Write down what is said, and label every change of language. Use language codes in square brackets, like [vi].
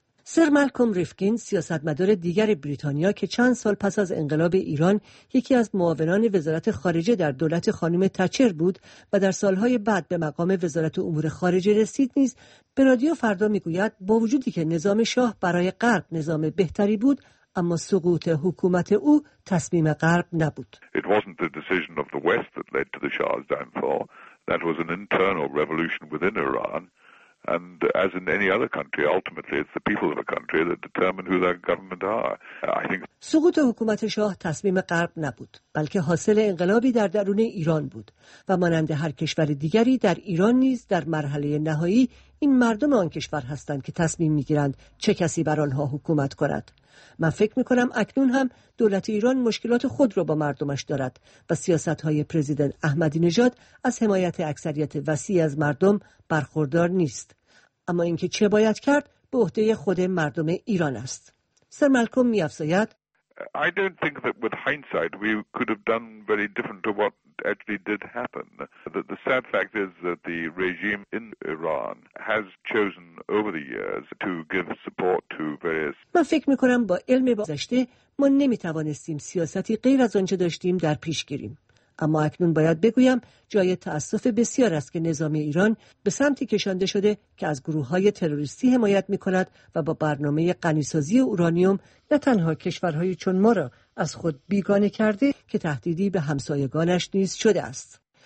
[fa] سر مالکوم ریفکین، سیاستمدار دیگر بریتانیا که چند سال پس از انقلاب ایران یکی از معاونان وزارت خارجه در دولت خانم تچر بود و در سالهای بعد به مقام وزارت امور خارجه رسید، نیز به رادیو فردا میگوید با وجودی که نظام شاه برای غرب نظام بهتری بود، اما سقوط حکومت او تصمیم غرب نبود. [en] It wasn't the decision of the West that led to the Shah's downfall. That was an internal revolution within Iran. And as in any other country, ultimately it's the people of a country that determine who their government are. I think [fa] سقوط حکومت شاه تصمیم غرب نبود، بلکه حاصل انقلابی در درون ایران بود و مانند هر کشور دیگری در ایران نیز در مرحله نهایی این مردم آن کشور هستند که تصمیم میگیرند چه کسی بر آنها حکومت کند. من فکر میکنم اکنون هم دولت ایران مشکلات خود را با مردمش دارد و سیاستهای پرزیدنت احمدی نژاد از حمایت اکثریت وسیع از مردم برخوردار نیست. اما اینکه چه باید کرد به عهده خود مردم ایران است. سر مالکوم میافزاید [en] I don't think that with hindsight we could have done very different to what actually did happen. The sad fact is that the regime in Iran has chosen over the years to give support to various... [fa] من فکر میکنم با علم گذشته ما نمیتوانستیم سیاستی غیر از آنچه داشتیم در پیش گیریم. اما اکنون باید بگویم جای تأسف بسیار است که نظام ایران به سمتی کشانده شده که از گروه های تروریستی حمایت می کند و با برنامه غنی‌سازی اورانیوم نه تنها کشورهای چون ما را از خود بیگانه کرده که تهدیدی به همسایگانش نیز شده است.